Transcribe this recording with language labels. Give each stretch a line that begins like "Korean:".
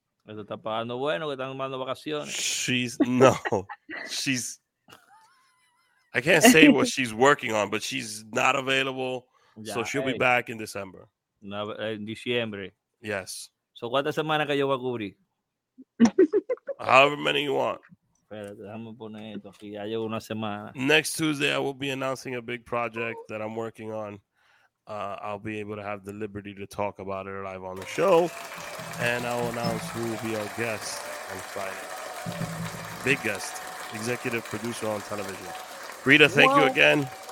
Spanish: Eso está pagando bueno, que están tomando vacaciones.
English: She's, no, she's, I can't say what she's working on, but she's not available, ya, so she'll be back in December.
Spanish: No, en diciembre.
English: Yes.
Spanish: So, ¿cuántas semanas que yo voy a cubrir?
English: However many you want.
Spanish: Espérate, déjame poner esto aquí, ya llevo una semana.
English: Next Tuesday, I will be announcing a big project that I'm working on. I'll be able to have the liberty to talk about it live on the show. And I will announce who will be our guest on Friday. Big guest, executive producer on television. Rita, thank you again.